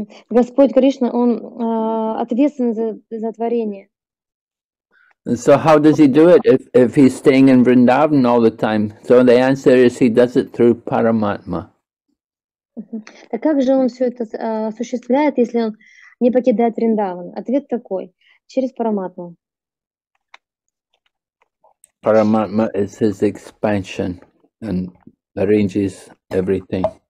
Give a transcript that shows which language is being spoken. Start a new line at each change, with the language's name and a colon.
Russian: Господь Кришна, Он ответственен за творение.
English: So how does he do it if he's staying in Vrindavan all the time? So the answer is he does it through Paramatma.
Russian: Так как же он все это осуществляет, если он не покидает Вриндаван? Ответ такой: через Параматму.
English: Paramatma is his expansion and arranges everything.